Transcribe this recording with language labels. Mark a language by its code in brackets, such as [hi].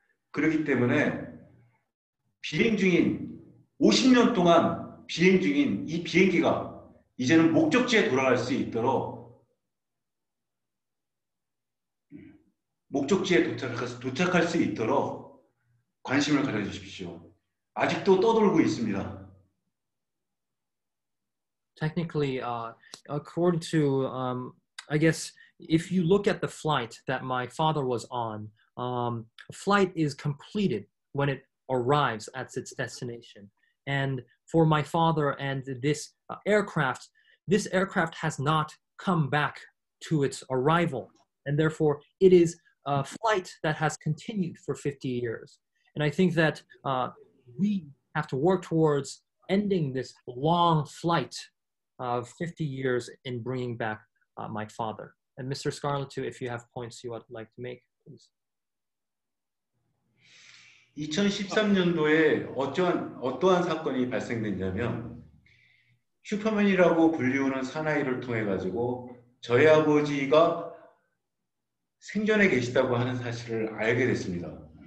[ko] 그렇기 때문에 비행 중인 50년 동안 비행 중인 이 비행기가 이제는 목적지에 돌아갈 수 있도록 목적지에 도착할 수 있도록 관심을 가져주십시오. 아직도 떠돌고 있습니다. [en] Technically, according to, I guess, if you look at the flight that my father was on, flight is completed when it arrives at its destination. And for my father and this aircraft has not come back to its arrival. And therefore, it is a flight that has continued for 50 years. And I think that we have to work towards ending this long flight of 50 years in bringing back my father. And Mr. Scarlett, too, if you have points you would like to make, please. [ko] 2013년도에 어떠한 사건이 발생됐냐면 슈퍼맨이라고 불리우는 사나이를 통해 가지고 저희 아버지가 생존해 계시다고 하는 사실을 알게 됐습니다.